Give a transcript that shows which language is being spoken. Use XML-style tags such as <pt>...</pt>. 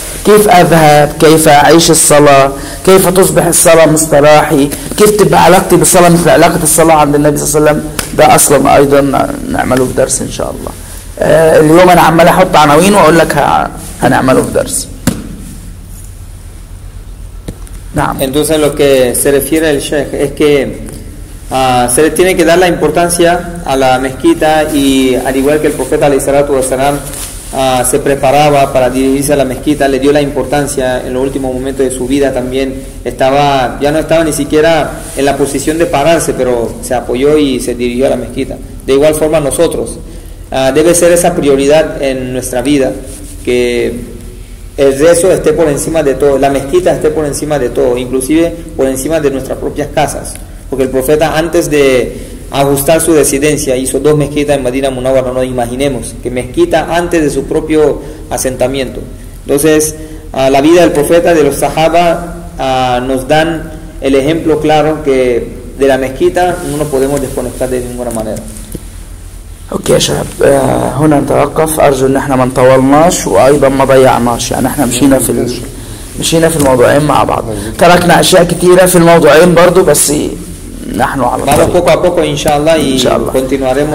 <ar>كيف أذهب؟ كيف أعيش الصلاة؟ كيف تصبح الصلاة مستراحي؟ كيف تبقى علاقتي بالصلاة مثل علاقة الصلاة عند النبي صلى الله عليه وسلم؟ ده أصلا أيضا نعمله في درس إن شاء الله. اليوم أنا عمال أحط عناوين وأقول لك هنعمله في درس.</ar> <es>Entonces lo que se refiere el Sheikh es que se le tiene que dar la importancia a la mezquita, y al igual que el profeta alayhissalatu wassalam se preparaba para dirigirse a la mezquita, le dio la importancia en los últimos momentos de su vida también. Estaba, ya no estaba ni siquiera en la posición de pararse, pero se apoyó y se dirigió a la mezquita. De igual forma nosotros, debe ser esa prioridad en nuestra vida, que el rezo esté por encima de todo, la mezquita esté por encima de todo, inclusive por encima de nuestras propias casas. Porque el profeta, antes de ajustar su residencia, hizo dos mezquitas en Medina Munawwara. No nos imaginemos que mezquita antes de su propio asentamiento. Entonces, la vida del profeta, de los sahaba, nos dan el ejemplo claro que de la mezquita no nos podemos desconectar de ninguna manera.</es> <ar>اوكي يا شباب هنا نتوقف. ارجو ان احنا ما نطولناش وايضا ما ضيعناش، يعني احنا مشينا في الموضوعين مع بعض، تركنا اشياء كثيره في الموضوعين برضو، بس نحن على طول</ar> <es>بوكو بوكو</es> <ar>ان شاء الله ان شاء الله</ar> <es>كونتينواريمو.</es>